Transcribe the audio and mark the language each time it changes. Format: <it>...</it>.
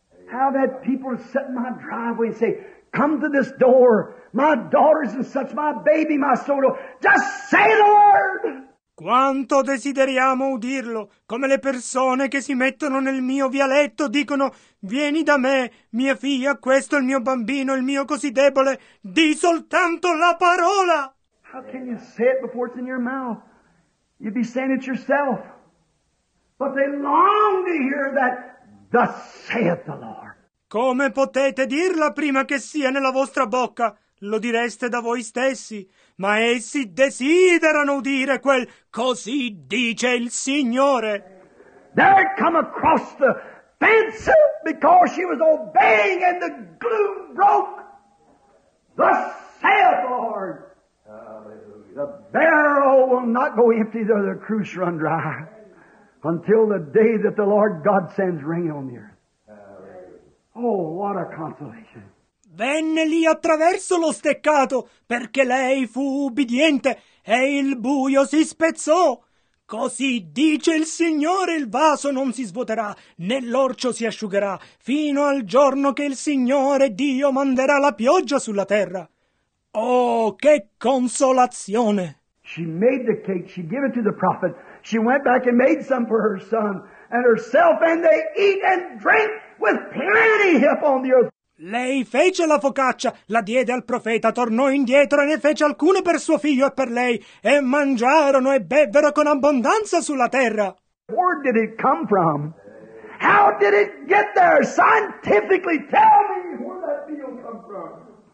<en>How that people sit in my driveway and say, come to this door, my daughters and such, my baby, my soul. Just say the word.</en> <it>Quanto desideriamo udirlo, come le persone che si mettono nel mio vialetto dicono, vieni da me, mia figlia, questo è il mio bambino, il mio così debole, di soltanto la parola.</it> <en>How can you say it before it's in your mouth? You'd be saying it yourself. But they long to hear that, thus saith the Lord.</en> <it>Come potete dirla prima che sia nella vostra bocca? Lo direste da voi stessi, ma essi desiderano udire quel così dice il Signore.</it> <en>There it come across the fence because she was obeying and the gloom broke. Thus saith the Lord. Hallelujah. The barrel will not go empty though the cruse run dry until the day that the Lord God sends rain on the earth. Oh, what a consolation.</en> <it>Venne lì attraverso lo steccato, perché lei fu ubbidiente, e il buio si spezzò. Così dice il Signore, il vaso non si svuoterà, né l'orcio si asciugherà, fino al giorno che il Signore Dio manderà la pioggia sulla terra. Oh, che consolazione!</it> <en>She made the cake, she gave it to the prophet, she went back and made some for her son, and herself, and they eat and drink with plenty upon the earth.</en> <it>Lei fece la focaccia, la diede al profeta, tornò indietro e ne fece alcune per suo figlio e per lei, e mangiarono e bevvero con abbondanza sulla terra.</it> <en>Where did it come from? How did it get there? Scientifically tell me where that meal come from.</en>